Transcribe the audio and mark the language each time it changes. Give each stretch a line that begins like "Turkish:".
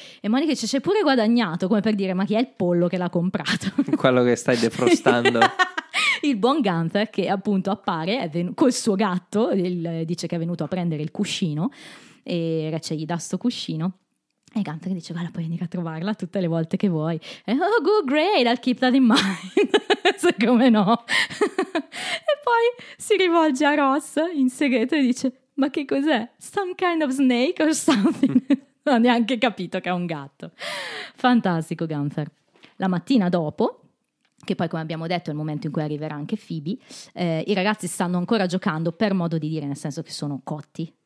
Italian: E Monica dice, c'è pure guadagnato, come per dire, ma chi è il pollo che l'ha comprato? Quello che stai defrostando. Il buon Gunther, che appunto appare col suo gatto, dice che è venuto a prendere il cuscino e Rachel gli dà sto cuscino. E Gunther dice, guarda, puoi venire a trovarla tutte le volte che vuoi.
English: E, oh, good, great, I'll keep that in mind.
Italian: Come no? E poi si rivolge a Ross in segreto e dice, ma che cos'è?
English: Some kind of snake or something?
Italian: Non ha neanche capito che è un gatto. Fantastico, Gunther. La mattina dopo, che poi, come abbiamo detto, è il momento in cui arriverà anche Phoebe, i ragazzi stanno ancora giocando, per modo di dire, nel senso che sono cotti.